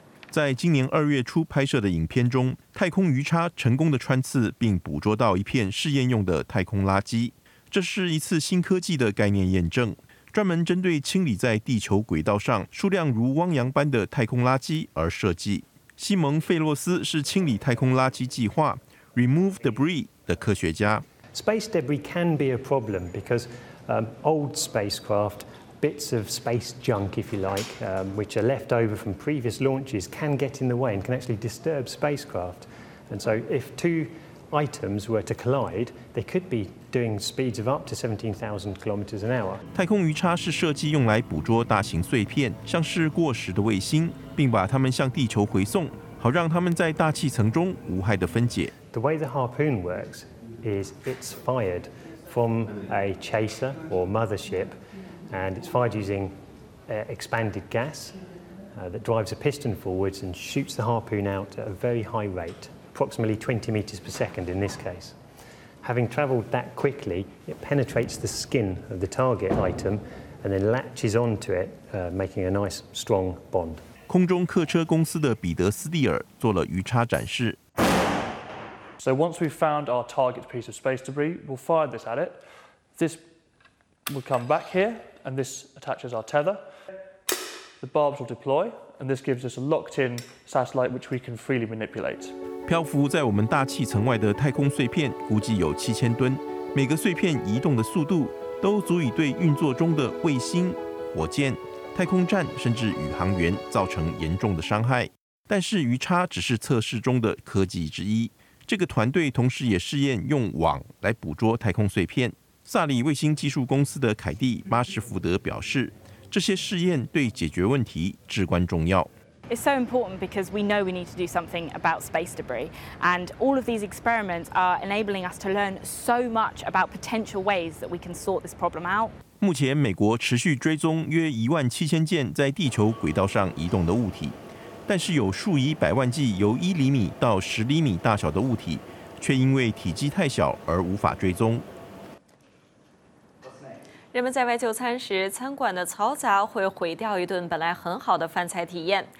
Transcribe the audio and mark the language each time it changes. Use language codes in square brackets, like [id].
[zh] 在今年2月初拍摄的影片中，太空鱼叉成功的穿刺并捕捉到一片试验用的太空垃圾。这是一次新科技的概念验证，专门针对清理在地球轨道上数量如汪洋般的太空垃圾而设计。西蒙·费洛斯是清理太空垃圾计划 Remove Debris 的科学家。 [en] Space debris can be a problem because old spacecraftBits of space junk, if you like, which are left over from previous launches, can get in the way and can actually disturb spacecraft. And so, if two items were to collide, they could be doing speeds of up to 17,000 kilometers an hour. [zh] 太空鱼叉是设计用来捕捉大型碎片，像是过时的卫星，并把它们向地球回送，好让它们在大气层中无害的分解。 [en] The way the harpoon works is it's fired from a chaser or mothership. And it's fired using expanded gas that drives a piston forwards and shoots the harpoon out at a very high rate, approximately 20 meters per second in this case. Having traveled that quickly, it penetrates the skin of the target item and then latches onto it, making a nice strong bond. [zh] 空中客车公司的彼得斯蒂尔做了鱼叉展示。 [en] So once we've found our target piece of space debris, we'll fire this at it. This will come back here. And this attaches our tether. The barbs will deploy, and this gives us a locked-in satellite which we can freely manipulate. [zh] 漂浮在我们大气层外的太空碎片估计有7000吨，每个碎片移动的速度都足以对运作中的卫星、火箭、太空站甚至宇航员造成严重的伤害。但是鱼叉只是测试中的科技之一，这个团队同时也试验用网来捕捉太空碎片。萨里卫星技术公司的凯蒂·巴什福德表示，这些试验对解决问题至关重要。 [en] It's so important because we know we need to do something about space debris, and all of these experiments are enabling us to learn so much about potential ways that we can sort this problem out. [zh] 目前，美国持续追踪约17000件在地球轨道上移动的物体，但是有数以百万计由1厘米到10厘米大小的物体，却因为体积太小而无法追踪。人们在外就餐时，餐馆的嘈杂会毁掉一顿本来很好的饭菜体验。